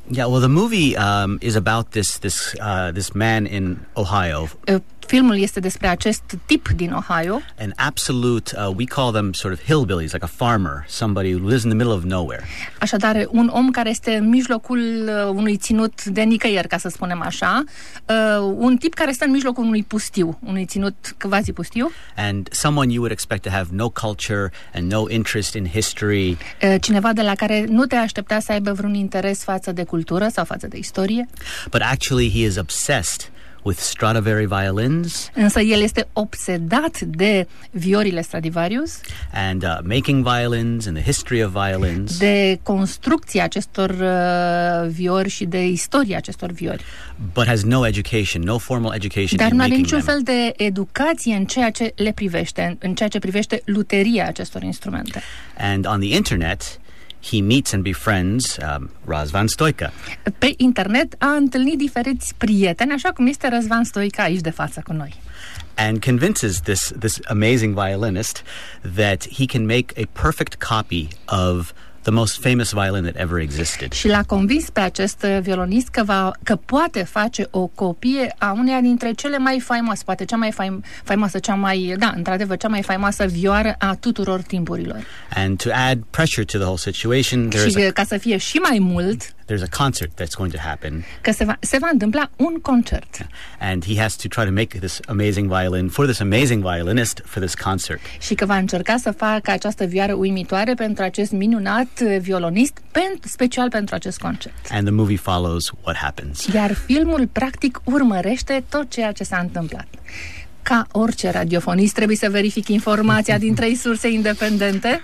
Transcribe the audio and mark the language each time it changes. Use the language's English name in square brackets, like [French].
[English] Yeah, well, the movie is about this man in Ohio. [Romanian] Filmul este despre acest tip din Ohio. [English] An absolute, we call them sort of hillbillies, like a farmer, somebody who lives in the middle of nowhere. [Romanian] Așadar, un om care este în mijlocul unui ținut de nicăieri, ca să spunem așa, un tip care stă în mijlocul unui pustiu, unui ținut quasi pustiu. [English] And someone you would expect to have no culture and no interest in history. [Romanian] Cineva de la care nu te aștepta să aibă vreun interes față de cultură sau față de istorie. [English] But actually he is obsessed with Stradivari violins. [Romanian] Însă el este obsedat de viorile Stradivarius. [English] And making violins and the history of violins. [Romanian] De construcția acestor viori și de istoria acestor viori. [English] But has no education, no formal education. [Romanian] Dar nu are niciun fel de educație în ceea ce le privește, în ceea ce privește luteria acestor instrumente. [English] And on the internet he meets and befriends Razvan Stoica. [Romanian] Pe internet a întâlnit diferiți prieteni, așa cum este Razvan Stoica aici de față cu noi. [English] And convinces this amazing violinist that he can make a perfect copy of the most famous violin that ever existed. [Romanian] Și l-a convins pe acest violonist că poate face o copie a uneia dintre cele mai faimoase, poate cea mai faimoasă, într-adevăr, cea mai faimoasă vioară a tuturor timpurilor. [English] And to add pressure to the whole situation, there's [Romanian] și ca să fie și mai mult, [English] there's a concert that's going to happen. [Romanian] Că se va întâmpla un concert. [English] Yeah. And he has to try to make this amazing violin for this amazing violinist for this concert. [Romanian] Și că va încerca să facă această vioară uimitoare pentru acest minunat violonist, special pentru acest concert. [English] And the movie follows what happens. [Romanian] Iar filmul practic urmărește tot ceea ce s-a întâmplat. Ca orice radiofonist trebuie să verific informația din trei surse independente.